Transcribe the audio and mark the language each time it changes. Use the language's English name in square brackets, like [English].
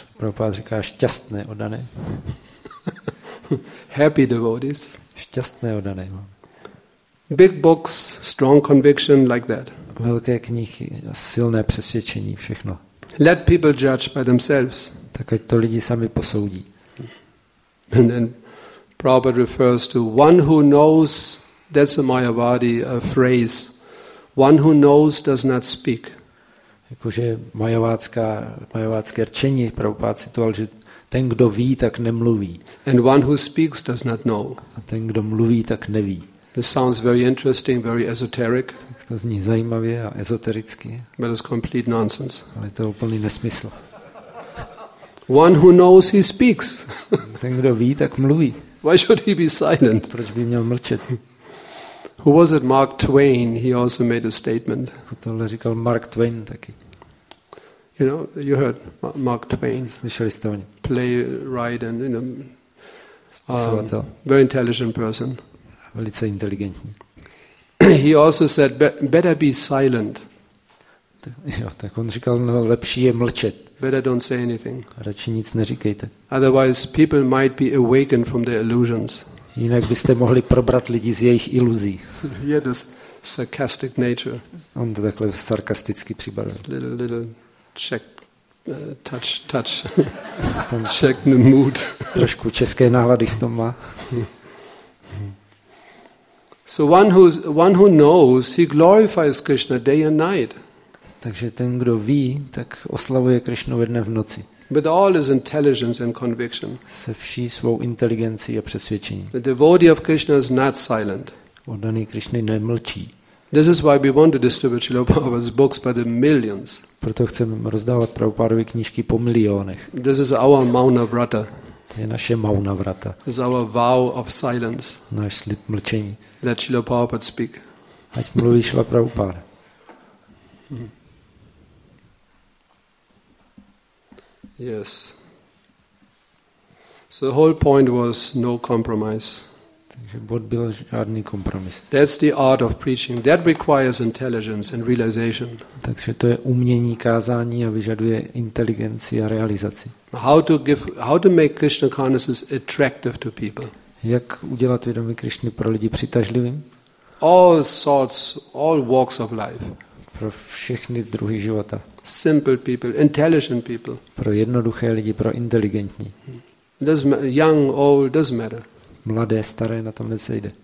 [Czech] Prabhupada říká šťastné oddané. [English] Happy devotees. [Czech] Šťastné oddané. [English] Big books, strong conviction like that. [Czech] velké knihy, silné přesvědčení, všechno. [English] Let people judge by themselves. [Czech] Tak ať to lidi sami posoudí. [English] And then Prabhupada refers to one who knows, that's a Mayavadi a phrase, one who knows does not speak. [Czech] Jakože mayavádské rčení, Prabhupada citoval, že ten, kdo ví, tak nemluví. [English] And one who speaks does not know. [Czech] A ten, kdo mluví, tak neví. [English] This sounds very interesting, very esoteric. [Czech] Tak to zní zajímavě a ezotericky. [English] But it's complete nonsense. [Czech] Ale to je úplný nesmysl. [English] One who knows, he speaks. [Czech] Ten, kdo ví, tak mluví. [English] Why should he be silent? [Czech] Proč by měl mlčet? [English] Who was it, Mark Twain? He also made a statement. [Czech] Tohle říkal Mark Twain taky. [English] You know, you heard Mark Twain. [Czech] Slyšeli jste o něm. [English] Playwright and very intelligent person. [Czech] Velice inteligentní. [English] He also said, better be silent. [Czech] Jo, tak on říkal, no, lepší je mlčet. [English] Better don't say anything. [Czech] Radši nic neříkejte. [English] Otherwise, people might be awakened from their illusions. [Czech] Jinak byste mohli probrat lidi z jejich iluzí. [English] He had this sarcastic nature. [Czech] On to takhle sarkasticky přibarvil. [English] Little Czech touch. [Czech] Tam [English] Czech mood. [Czech] Trošku české nálady v tom má. [English] So one who knows, he glorifies Krishna day and night. [Czech] Takže ten, kdo ví, tak oslavuje Krishnu ve dne v noci. [English] With all his intelligence and conviction. [Czech] Se vší svou inteligencí a přesvědčením. [English] The devotee of Krishna is not silent. [Czech] Oddaný Krishny nemlčí. [English] This is why we want to distribute Srila Prabhupada's books by the millions. [Czech] Proto chceme rozdávat Prabhupádovy knížky po milionech. [English] This is our Mauna Vrata. [Czech] To je naše Mauna Vrata. [English] This is our vow of silence. [Czech] Náš slib mlčení. [English] Let Srila Prabhupada speak. [Czech] Ať mluví Srila Prabhupada. [English] Yes. So the whole point was no compromise. [Czech] Takže bod byl žádný kompromis. [English] That's the art of preaching. That requires intelligence and realization. [Czech] Takže to je umění kázání a vyžaduje inteligenci a realizaci. [English] How to make Krishna consciousness attractive to people? [Czech] Jak udělat vědomí Krishny pro lidi přitažlivým? [English] All walks of life. [Czech] Pro všechny druhy života. [English] Simple people, intelligent people. [Czech] Pro jednoduché lidi, pro inteligentní. [English] Young, old, doesn't matter. [Czech] Mladé, staré, na tom nesejde.